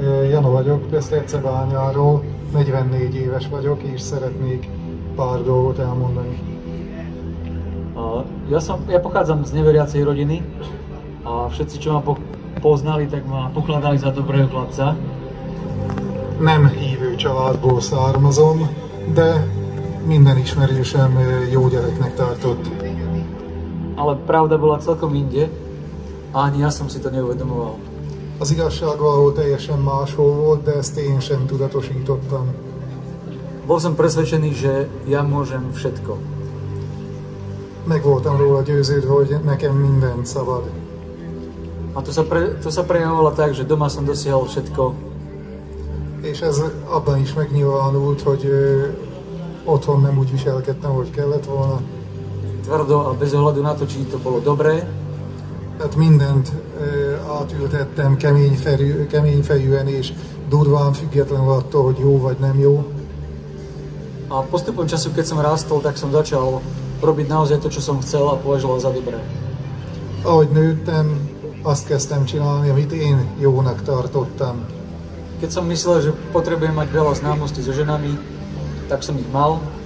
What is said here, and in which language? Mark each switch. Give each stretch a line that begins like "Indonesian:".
Hungarian: Jano vagyok, Bystrice bányáról. 44 éves vagyok és szeretnék pár dolgot elmondani.
Slovak: Ja pochádzam z neveriacej rodiny a všetci, čo ma poznali, tak ma pokladali za dobrého chlapca.
Hungarian: Nem hívő családból származom, de minden ismerősem jó gyereknek tartott.
Slovak: Ale pravda bola celkom inde, ani ja som si to neuvedomoval.
Hungarian: Az igazság valahol teljesen máshol volt, de ezt én sem tudatosítottam.
Slovak: Bol som presvedčený, že ja môžem všetko.
Hungarian: Meg voltam róla győződve, hogy nekem minden szabad.
Slovak: A to sa prejavovalo tak, že doma som dosiahol všetko.
Hungarian: És ez abban is megnyilvánult, hogy otthon nem úgy viselkedtem, hogy kellett volna.
Slovak: Tvrdo a bez ohľadu na to, či to bolo dobré.
Hungarian: Tehát mindent átültettem keményfejűen és durván, függetlenül attól, hogy jó vagy nem jó.
Slovak: A postupom času, keď som rástol, tak som začal robiť naozaj to, čo som chcel a považoval za dobré.
Hungarian: Ahogy nőttem, azt kezdtem csinálni, amit én jónak tartottam.
Slovak: Keď som myslel, že potrebujem mať veľa známosti so ženami, tak som ich mal.